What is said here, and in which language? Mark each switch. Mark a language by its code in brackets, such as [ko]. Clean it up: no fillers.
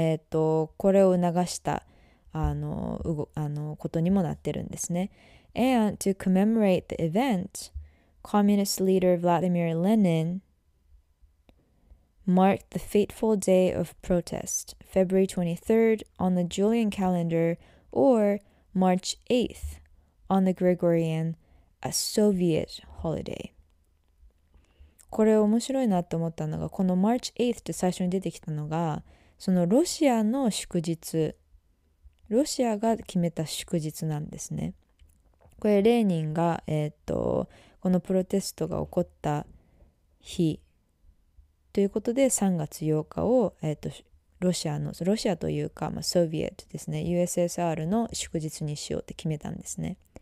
[ja] これを促したことにもなってるんですね。 [en] And to commemorate the event, communist leader Vladimir Lenin marked the fateful day of protest, February 23rd on the Julian calendar or March 8th on the Gregorian, a Soviet holiday. [ja] これ面白いなと思ったのが、この March 8th って最初に出てきたのが、そのロシアの祝日、ロシアが決めた祝日なんですね。これレーニンが、このプロテストが起こった日ということで、3月8日を、ロシアというか、まあ、ソビエトですね、USSR の祝日にしようって決めたんですね。